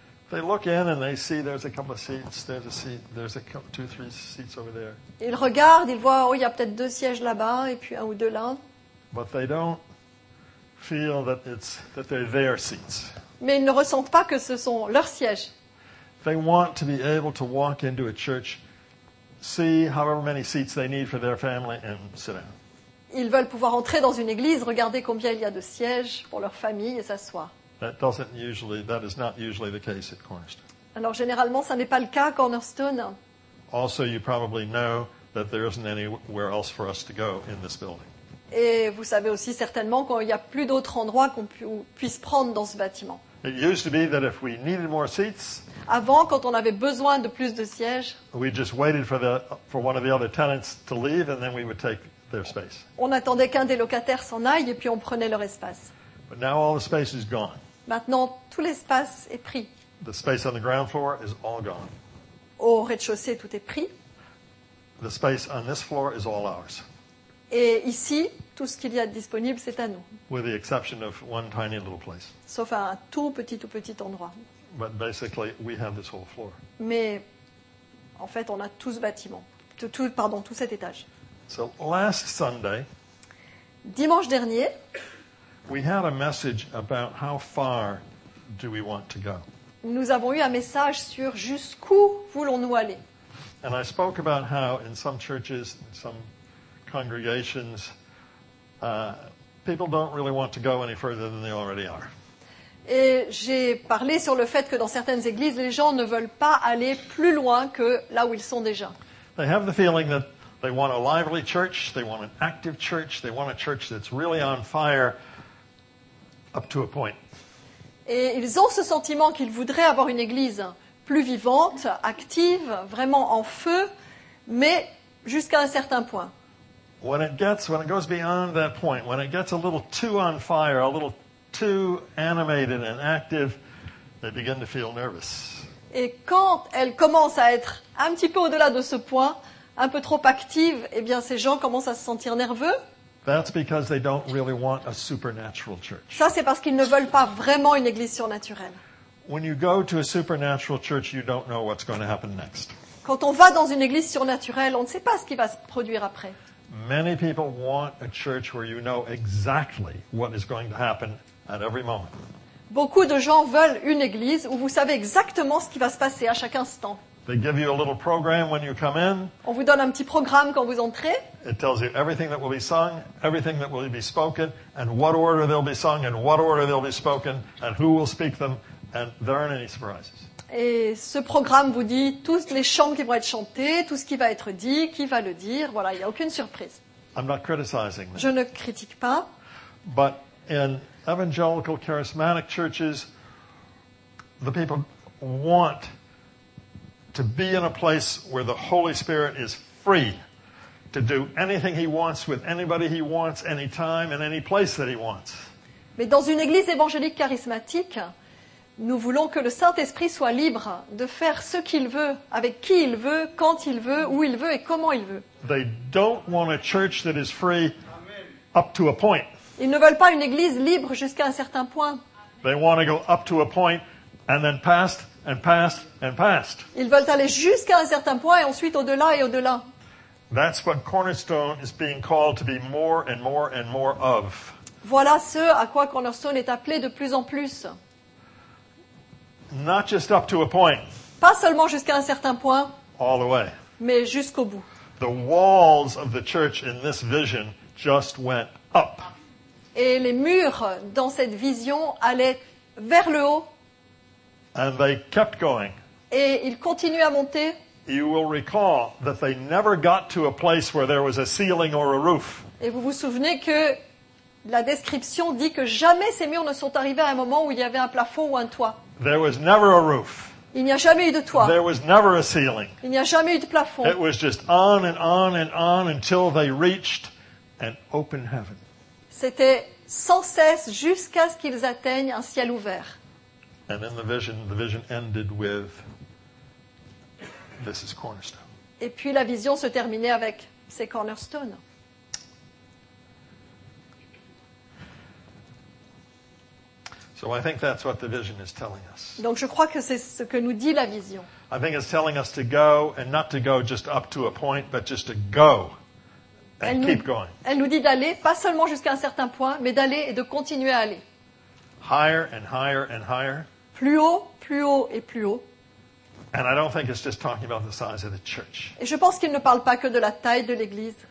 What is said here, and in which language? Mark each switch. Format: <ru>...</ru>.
<en>They look in and they see there's a couple of seats, there's a seat, there's a couple, two, three seats over there.</en> <fr>Ils regardent, ils voient, oh, il y a peut-être deux sièges là-bas, et puis un ou deux là.</fr> <en>But they don't feel that it's that they're their seats.</en> <fr>Mais ils ne ressentent pas que ce sont leurs sièges.</fr> <en>They want to be able to walk into a church, see however many seats they need for their family, and sit down.</en> <fr>Ils veulent pouvoir entrer dans une église, regarder combien il y a de sièges pour leur famille et s'asseoir.</fr> <en>That is not usually the case at Cornerstone.</en> <fr>Alors généralement, ça n'est pas le cas à Cornerstone.</fr> <en>Also, you probably know that there isn't anywhere else for us to go in this building.</en> <fr>Et vous savez aussi certainement qu'il n'y a plus d'autres endroits qu'on puisse prendre dans ce bâtiment.</fr> <en>It used to be that if we needed more seats,</en> <fr>avant, quand on avait besoin de plus de sièges,</fr> <en>we just waited for one of the other tenants to leave, and then we would take their space.</en> <fr>On attendait qu'un des locataires s'en aille et puis on prenait leur espace.</fr> <en>But now all the space is gone.</en> <fr>Maintenant, tout l'espace est pris.</fr> <en>The space on the ground floor is all gone.</en> <fr>Au rez-de-chaussée, tout est pris.</fr> <en>The space on this floor is all ours.</en> <fr>Et ici, tout ce qu'il y a de disponible, c'est à nous.</fr> <en>With the exception of one tiny little place.</en> <fr>Sauf à un tout petit endroit.</fr> <en>But basically, we have this whole floor.</en> <fr>Mais en fait, on a tout ce bâtiment, tout cet étage.</fr> <en>So last Sunday,</en> <fr>dimanche dernier,</fr> <en>we had a message about how far do we want to go.</en> <fr>Nous avons eu un message sur jusqu'où voulons-nous aller.</fr> <en>And I spoke about how in some churches, in some congregations, people don't really want to go any further than they already are.</en> <fr>Et j'ai parlé sur le fait que dans certaines églises, les gens ne veulent pas aller plus loin que là où ils sont déjà.</fr> <en>They have the feeling that they want a lively church, they want an active church, they want a church that's really on fire up to a point.</en> <fr>Et ils ont ce sentiment qu'ils voudraient avoir une église plus vivante, active, vraiment en feu, mais jusqu'à un certain point.</fr> <en>When it goes beyond that point, when it gets a little too on fire, a little too animated and active, they begin to feel nervous.</en> <fr>Et quand elle commence à être un petit peu au-delà de ce point, un peu trop active, eh bien ces gens commencent à se sentir nerveux.</fr> <en>That's because they don't really want a supernatural church.</en> <fr>Ça, c'est parce qu'ils ne veulent pas vraiment une église surnaturelle.</fr> <en>When you go to a supernatural church, you don't know what's going to happen next.</en> <fr>Quand on va dans une église surnaturelle, on ne sait pas ce qui va se produire après.</fr> <en>Many people want a church where you know exactly what is going to happen at every moment.</en> <fr>Beaucoup de gens veulent une église où vous savez exactement ce qui va se passer à chaque instant.</fr> <en>They give you a little program when you come in.</en> <fr>On vous donne un petit programme quand vous entrez.</fr> <en>It tells you everything that will be sung, everything that will be spoken, and what order they'll be sung, and what order they'll be spoken, and who will speak them, and there aren't any surprises.</en> <fr>Et ce programme vous dit tous les chants qui vont être chantés, tout ce qui va être dit, qui va le dire. Voilà, il n'y a aucune surprise.</fr> <en>I'm not criticizing them.</en> <fr>Je ne critique pas.</fr> <en>But in evangelical charismatic churches, the people want to be in a place where the Holy Spirit is free to do anything he wants with anybody he wants, any time and any place that he wants.</en> <fr>Mais dans une église évangélique charismatique, nous voulons que le Saint-Esprit soit libre de faire ce qu'il veut, avec qui il veut, quand il veut, où il veut et comment il veut.</fr> <en>They don't want a church that is free up to a point.</en> <fr>Ils ne veulent pas une église libre jusqu'à un certain point.</fr> <en>They want to go up to a point and then past. And past and past.</en> <fr>Ils veulent aller jusqu'à un certain point et ensuite au-delà et au-delà.</fr> <en>That's what Cornerstone is being called to be more and more and more of.</en> <fr>Voilà ce à quoi Cornerstone est appelé de plus en plus.</fr> <en>Not just up to a point.</en> <fr>Pas seulement jusqu'à un certain point.</fr> <en>All the way.</en> <fr>Mais jusqu'au bout.</fr> <en>The walls of the church in this vision just went up.</en> <fr>Et les murs dans cette vision allaient vers le haut.</fr> <en>And they kept going.</en> <fr>Et ils continuent à monter.</fr> <en>You will recall that they never got to a place where there was a ceiling or a roof.</en> <fr>Et vous vous souvenez que la description dit que jamais ces murs ne sont arrivés à un moment où il y avait un plafond ou un toit.</fr> <en>There was never a roof.</en> <fr>Il n'y a jamais eu de toit.</fr> <en>There was never a ceiling.</en> <fr>Il n'y a jamais eu de plafond.</fr> <en>It was just on and on and on until they reached an open heaven.</en> <fr>C'était sans cesse jusqu'à ce qu'ils atteignent un ciel ouvert.</fr> <en>And in the vision ended with, this is Cornerstone.</en> <fr>Et puis la vision se terminait avec, c'est Cornerstone.</fr> <en>So I think that's what the vision is telling us.</en> <fr>Donc je crois que c'est ce que nous dit la vision.</fr> <en>I think it's telling us to go, and not to go just up to a point, but just to go and keep going.</en> <fr>Elle nous dit d'aller, pas seulement jusqu'à un certain point, mais d'aller et de continuer à aller.</fr> <en>Higher and higher and higher.</en> <fr>Plus haut, plus haut et plus haut.</fr> <en>And I don't think it's just talking about the size of the church.</en> <fr>Et je pense qu'il ne parle pas que de la taille de l'église.</fr>